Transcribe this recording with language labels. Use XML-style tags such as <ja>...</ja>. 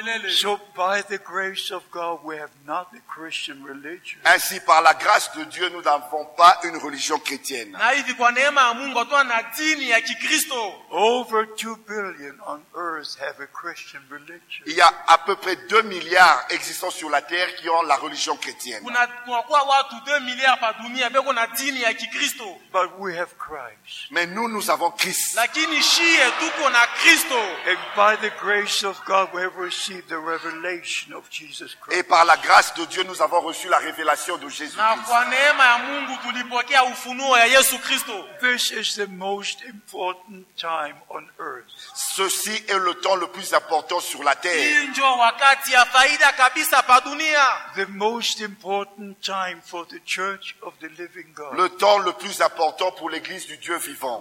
<en>So by the grace of God we have not the Christian religion.</en> <fr>Ainsi par la grâce de Dieu nous n'avons pas une religion chrétienne.</fr> <en>Over 2 billion on earth have a Christian religion.</en> <fr>Il y a à peu près 2 milliards existant sur la terre qui ont la religion chrétienne.</fr> <en>But we have Christ.</en> <fr>Mais nous, nous avons Christ.</fr> <sw>Lakini shi etuko na Christo.</sw> <en>And by the grace of God we have received the revelation of Jesus Christ.</en> <fr>Et par la grâce de Dieu nous avons reçu la révélation de Jésus Christ.</fr> <sw>Na kwa neema ya Mungu tulipokea ufunuo ya Yesu Kristo.</sw> <en>This is the most important time on earth.</en> <fr>Ceci est le temps le plus important sur la terre.</fr> <sw>Injo wakati ya faida kabisa pa dunia.</sw> <en>The most important time for the church of the living God.</en> <fr>Le temps le plus important pour l'église du Dieu vivant.</fr>